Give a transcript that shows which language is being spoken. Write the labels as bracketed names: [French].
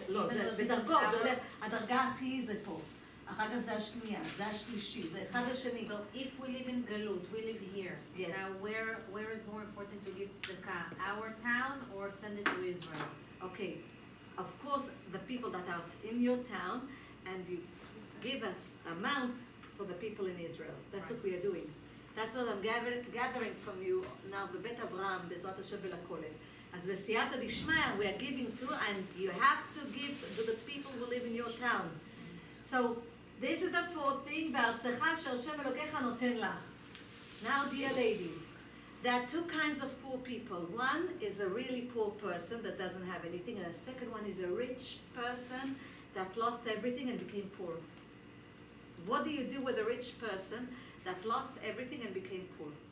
[Hebrew] No, בדרגות, הדרגה הכי זה פה. אחר כך זה השנייה, זה השלישי, זה אחד השני. [English] So if we live in Galut, we live here. Yes. Now where is more important to give tzedakah? Our town or send it to Israel? Okay. Of course, the people that are in your town, and you give us amount for the people in Israel. That's right. What we are doing. That's what I'm gathering from you now, בבית אברהם, בעזרת השם ולכולם. אז בסייעתא דשמיא, we are giving to, and you have to give to the people who live in your town. So, this is the fourth thing, בארצך אשר השם אלוקיך נותן לך. Now, dear ladies, there are two kinds of poor people. One is a really poor person that doesn't have anything, and the second one is a rich person that lost everything and became poor. What do you do with a rich person that lost everything and became poor?